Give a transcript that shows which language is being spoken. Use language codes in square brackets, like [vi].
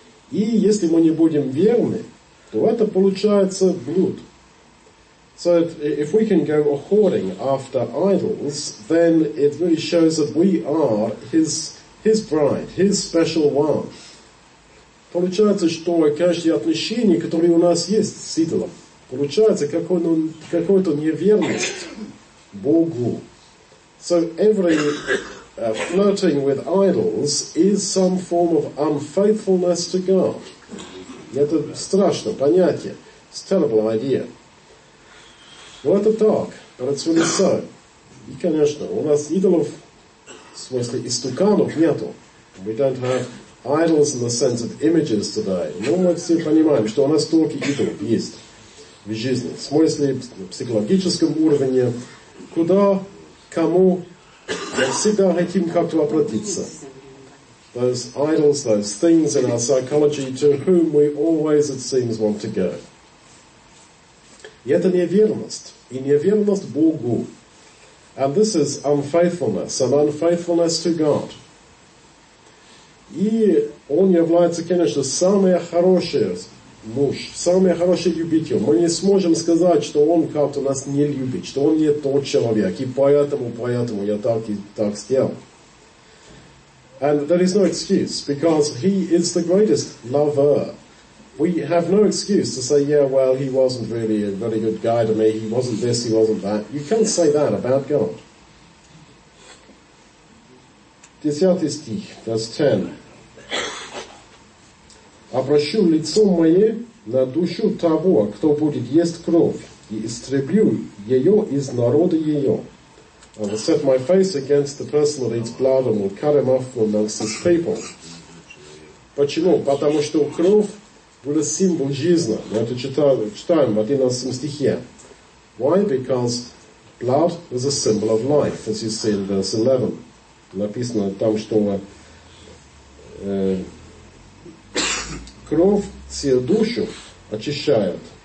[ru] И если мы не будем верны, то это получается блюд. [en] So if we can go whoring after idols, then it really shows that we are his bride, his special one. [ru] Получается, что каждое отношение, которое у нас есть с идолом, получается какой-то неверность Богу. [en] So every flirting with idols is some form of unfaithfulness to God. [ru] Это страшное понятие. [en] It's a terrible idea. Well, [ru] это так, [en] but it's really so. [ru] И, конечно, у нас идолов, в смысле истуканов, нету. [en] We don't have idols in the sense of images today. [ru] Но мы все понимаем, что у нас только идолов есть в жизни. В смысле, на психологическом уровне. Куда, кому, мы всегда хотим как-то обратиться. [en] Those idols, those things in our psychology, to whom we always, it seems, want to go. [ru] И это неверность. И неверность Богу. [en] And this is unfaithfulness. An unfaithfulness to God. [ru] И он является, конечно, самый хороший муж, самый хороший любитель. Мы не сможем сказать, что он как-то нас не любит, что он не тот человек. И поэтому я так и так сделал. [en] And there is no excuse, because he is the greatest lover. We have no excuse to say, yeah, well, he wasn't really a very good guy to me, he wasn't this, he wasn't that. You can't say that about God. [ru] 10 стих, verse 10. Обращу лицо мое на душу того, кто будет есть кровь, и истреблю ее из народа ее. [en] I will set my face against the person that eats blood and will cut him off from amongst his people. [ru] Почему? Потому что кровь будет символ жизни. Мы это читаем в 11 стихе. [en] Why? Because blood is a symbol of life, as you see in verse 11. [ru] Написано там, что кровь всю душу очищает.